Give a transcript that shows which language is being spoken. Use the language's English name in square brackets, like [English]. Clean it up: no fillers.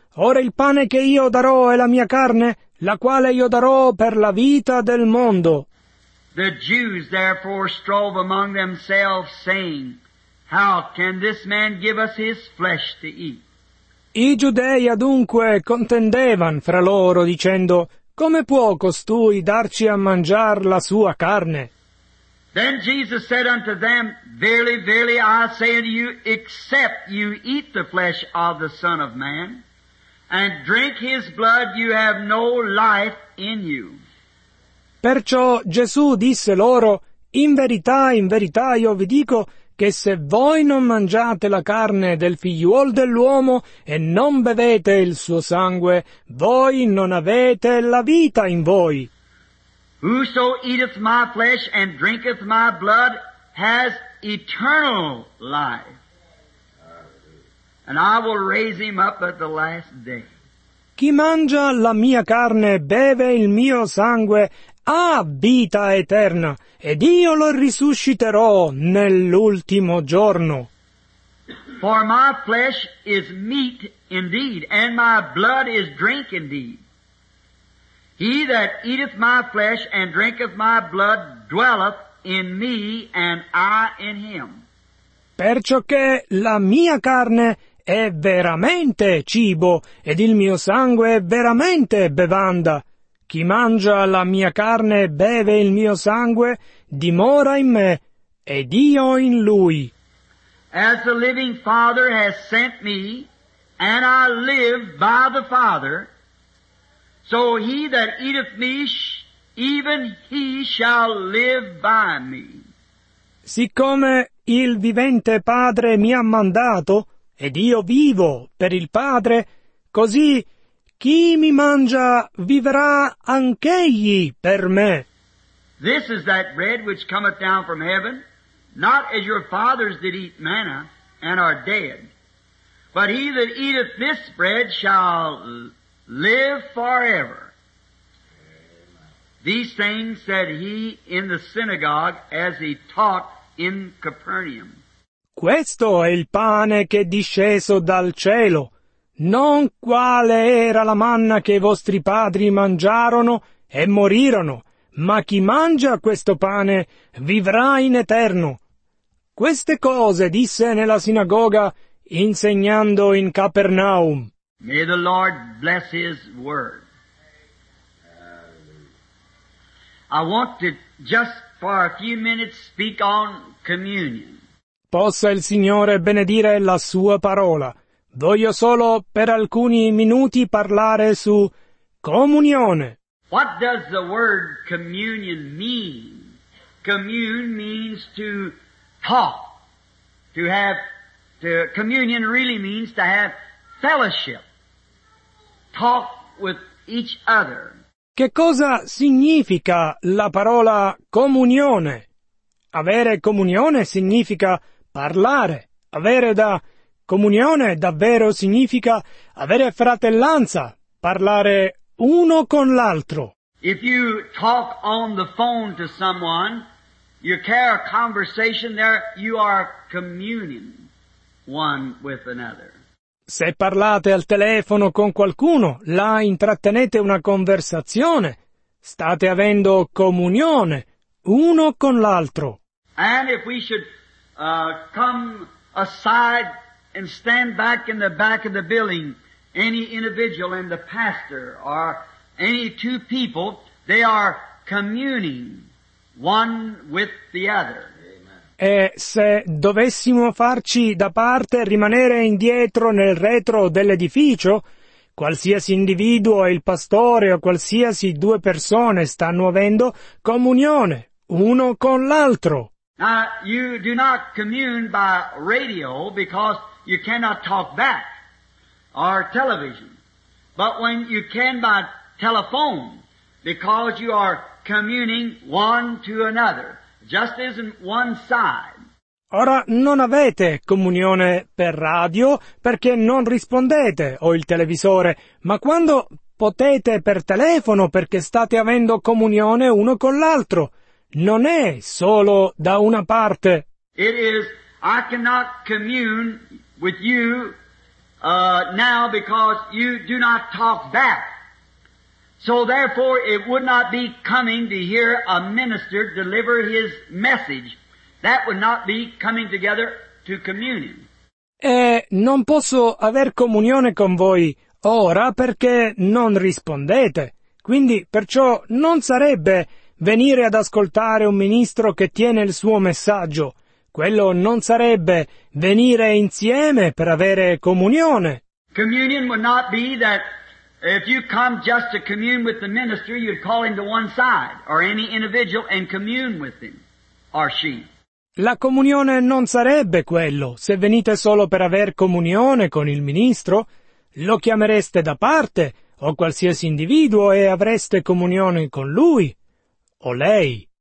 [Italian] Ora il pane che io darò è la mia carne, la quale io darò per la vita del mondo. [English] The Jews therefore strove among themselves, saying, how can this man give us his flesh to eat? [Italian] I giudei adunque contendevan fra loro, dicendo, come può costui darci a mangiar la sua carne? [English] Then Jesus said unto them, verily, verily, I say unto you, except you eat the flesh of the Son of Man, and drink his blood, you have no life in you. [Italian] Perciò Gesù disse loro, in verità io vi dico, che se voi non mangiate la carne del figliuol dell'uomo e non bevete il suo sangue, voi non avete la vita in voi. [English] Whoso eateth my flesh and drinketh my blood has eternal life, and I will raise him up at the last day. [Italian] Chi mangia la mia carne e beve il mio sangue ha vita eterna, ed io lo risusciterò nell'ultimo giorno. [English] For my flesh is meat indeed, and my blood is drink indeed. He that eateth my flesh and drinketh my blood dwelleth in me, and I in him. [Italian] Perciò che la mia carne è veramente cibo, ed il mio sangue è veramente bevanda. Chi mangia la mia carne e beve il mio sangue, dimora in me, ed io in lui. [English] As the living Father has sent me, and I live by the Father, so he that eateth me, even he shall live by me. [Italian] Siccome il vivente Padre mi ha mandato, ed io vivo per il Padre, così chi mi mangia vivrà anch'egli per me. [English] This is that bread which cometh down from heaven, not as your fathers did eat manna and are dead, but he that eateth this bread shall live forever. These things said he in the synagogue as he taught in Capernaum. [Italian] Questo è il pane che è disceso dal cielo. Non quale era la manna che i vostri padri mangiarono e morirono, ma chi mangia questo pane vivrà in eterno. Queste cose disse nella sinagoga, insegnando in Capernaum. [English] May the Lord bless his word. I want to just for a few minutes speak on communion. [Italian] Possa il Signore benedire la sua parola. Voglio solo per alcuni minuti parlare su comunione. [English] What does the word communion mean? Commune means to talk, to have, communion really means to have fellowship. talk with each other. [Italian] Che cosa significa la parola comunione? Avere comunione significa parlare. Avere da comunione davvero significa avere fratellanza, parlare uno con l'altro. [English] If you talk on the phone to someone, you carry a conversation there, you are communing one with another. [Italian] Se parlate al telefono con qualcuno, là intrattenete una conversazione, state avendo comunione uno con l'altro. [English] And if we should come aside and stand back of the building, any individual and the pastor or any two people, they are communing one with the other. [Italian] E se dovessimo farci da parte, rimanere indietro nel retro dell'edificio, qualsiasi individuo, il pastore o qualsiasi due persone stanno avendo comunione uno con l'altro. [English] Now, you do not commune by radio because you cannot talk back, or television. But when you can by telephone, because you are communing one to another. Just isn't one side. [Italian] Ora non avete comunione per radio perché non rispondete o il televisore, ma quando potete per telefono perché state avendo comunione uno con l'altro, non è solo da una parte. [English] It is, I cannot commune with you now because you do not talk back. So therefore it would not be coming to hear a minister deliver his message. That would not be coming together to communion. [Italian] E non posso aver comunione con voi ora perché non rispondete. Quindi perciò non sarebbe venire ad ascoltare un ministro che tiene il suo messaggio. Quello non sarebbe venire insieme per avere comunione. [English] Communion would not be that. If you come just to commune with the minister, you'd call him to one side, or any individual, and commune with him, or she. [Italian] La comunione non sarebbe quello. Se venite solo per aver comunione con il ministro, lo chiamereste da parte, o qualsiasi individuo, e avreste comunione con lui, o lei.